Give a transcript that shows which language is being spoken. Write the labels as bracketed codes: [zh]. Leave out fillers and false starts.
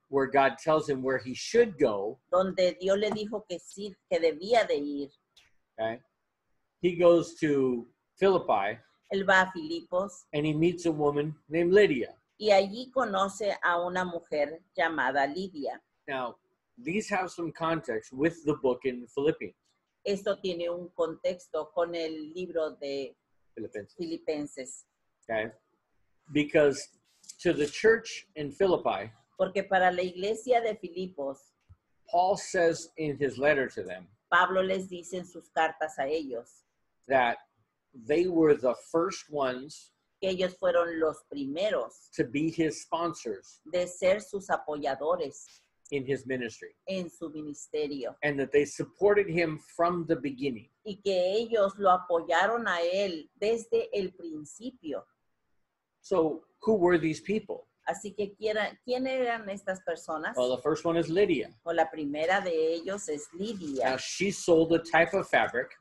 [en] where God tells him where he should go, [es] donde Dios le dijo que sí, que debía de ir, [en] okay, he goes to Philippi, [es] él va a Filipos, [en] and he meets a woman named Lydia. [es] Y allí conoce a una mujer llamada Lidia. [en] Now, these have some context with the book in Philippians. [es] Esto tiene un contexto con el libro de [en] Filipenses. Okay. Because to the church in Philippi, [es] porque para la iglesia de Filipos, [en] Paul says in his letter to them, [es] Pablo les dice en sus cartas a ellos, [en] that they were the first ones, [es] que ellos fueron los primeros, [en] to be his sponsors, [es] de ser sus apoyadores, [en] in his ministry, [es] en su ministerio, [en] and that they supported him from the beginning, [es] y que ellos lo apoyaron a él desde el principio. [en] So, who were these people? [es] Así que, ¿quién eran estas personas? [en] Well, the first one is Lydia. [es] O la primera de ellos es Lydia. [en] Now, she sold a type of fabric.